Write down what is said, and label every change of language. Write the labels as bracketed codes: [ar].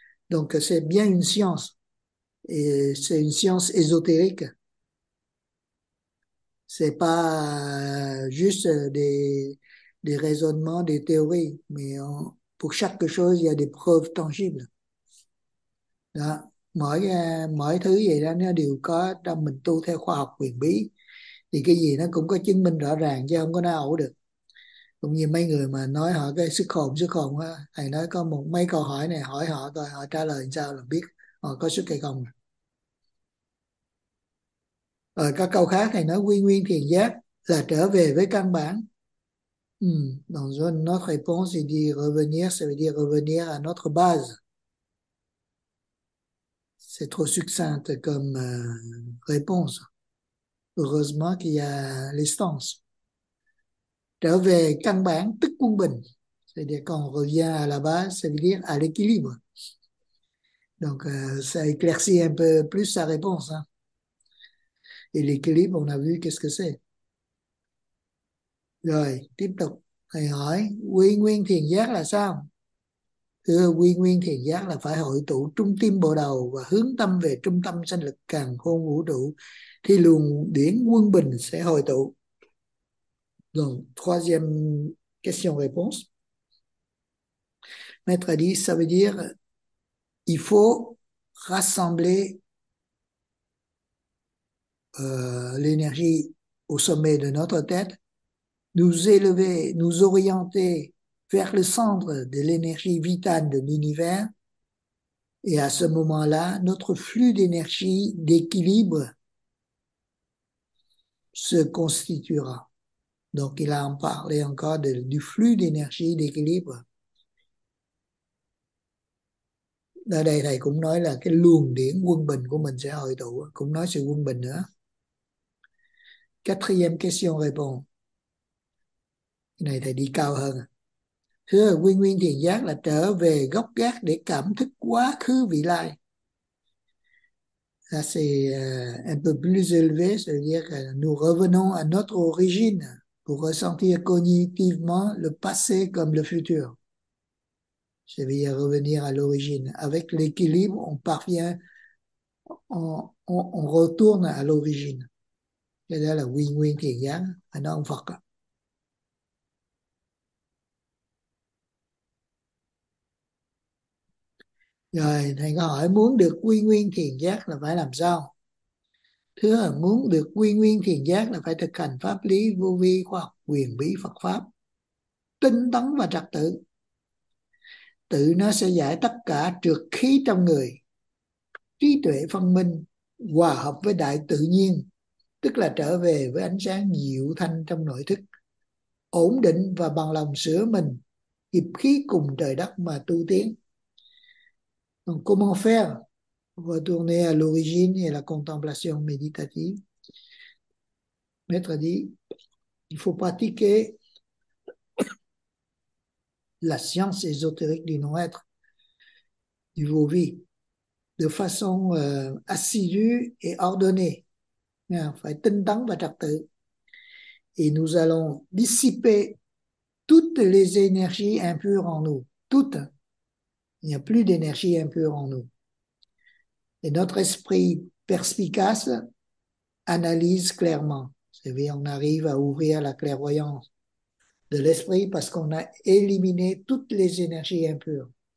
[fr] Donc, c'est bien une science. Et c'est une science ésotérique. C'est pas juste des raisonnements, des théories. Mais pour chaque chose, il y a des preuves tangibles. [vi] Đó. Mọi thứ vậy đó, nó đều có trong mình tu theo khoa học huyền bí. Thì cái gì nó cũng có chứng minh rõ ràng, chứ không có nói ẩu được. Cũng như mấy người mà nói họ cái sức hồn á, thầy nói có một mấy câu hỏi này hỏi họ coi họ trả lời sao là biết họ có sức hay không. Rồi các câu khác thầy nói quy nguyên thiền giác là trở về với căn bản. [fr] Dans notre réponse, il dit revenir, ça veut dire revenir à notre base. C'est trop succinct comme réponse. Heureusement qu'il y a l'essence. [vi] Trở về căn bản tức quân bình, [fr] c'est dire quand on revient à la base, c'est dire à l'équilibre. Donc ça éclaircit un peu plus sa réponse, hein. Et l'équilibre, on a vu qu'est-ce que c'est. [vi] Rồi tiếp tục thầy hỏi quy nguyên thiền giác là sao? Thưa, quy nguyên thiền giác là phải hội tụ trung tâm bộ đầu và hướng tâm về trung tâm sanh lực càn khôn vũ trụ thì luồng điển quân bình sẽ hội tụ. [fr] Donc, troisième question-réponse. Maître a dit, ça veut dire, il faut rassembler l'énergie au sommet de notre tête, nous élever, nous orienter vers le centre de l'énergie vitale de l'univers, et à ce moment-là, notre flux d'énergie d'équilibre se constituera. Donc, il a en parlé encore du flux d'énergie d'équilibre. [vi] Ở đây, thầy cũng nói là cái luồng điển quân bình của mình sẽ hội tụ, cũng nói sự quân bình nữa. [fr] Quatrième question-réponse. [vi] Cái này thầy đi cao hơn. Thưa, quy nguyên thiền giác là trở về gốc gác để cảm thức quá khứ vị lai. [fr] Ça, c'est un peu plus élevé, c'est-à-dire que nous revenons à notre origine. Pour ressentir cognitivement le passé comme le futur. Je vais y revenir à l'origine. Avec l'équilibre, on parvient, on retourne à l'origine. C'est là la win-win qui est un enfant. [vi] Rồi thầy có hỏi muốn được quy nguyên thiền giác là phải làm sao? Thứ là muốn được quy nguyên thiền giác là phải thực hành pháp lý vô vi khoa học quyền bí Phật pháp, tinh tấn và trật tự. Tự nó sẽ giải tất cả trược khí trong người, trí tuệ phân minh, hòa hợp với đại tự nhiên, tức là trở về với ánh sáng diệu thanh trong nội thức, ổn định và bằng lòng sửa mình, hiệp khí cùng trời đất mà tu tiến. [fr] Comment faire? Retourner à l'origine et à la contemplation méditative. Maître dit, il faut pratiquer la science ésotérique du non-être, du vô-vi, de façon assidue et ordonnée. Il faut être [vi] tinh tấn và trật tự. [fr] Et nous allons dissiper toutes les énergies impures en nous. Toutes. Il n'y a plus d'énergie impure en nous. Et notre esprit perspicace analyse clairement. C'est-à-dire, on arrive à ouvrir la clairvoyance de l'esprit parce qu'on a éliminé toutes les énergies impures.